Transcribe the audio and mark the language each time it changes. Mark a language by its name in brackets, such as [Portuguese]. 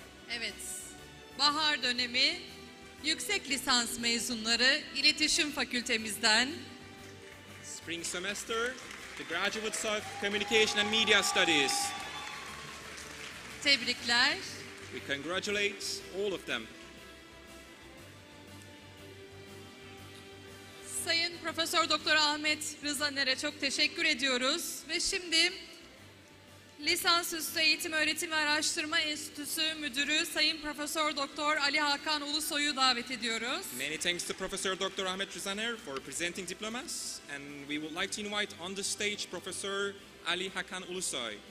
[Turkish] Evet, bahar dönemi yüksek lisans mezunları iletişim fakültemizden. [English] Spring semester, the graduates of communication and media studies. [Turkish] Tebrikler. [English] We congratulate all of them. [Turkish] Sayın Profesör Doktor Ahmet Rıza Nere çok teşekkür ediyoruz ve şimdi Lisansüstü Eğitim Öğretim ve Araştırma Enstitüsü Müdürü Sayın Profesör Doktor Ali Hakan Ulusoy'u davet ediyoruz. [English] Many thanks to Professor Dr. Ahmet Rızaner for presenting diplomas and we would like to invite on the stage Professor Ali Hakan Ulusoy.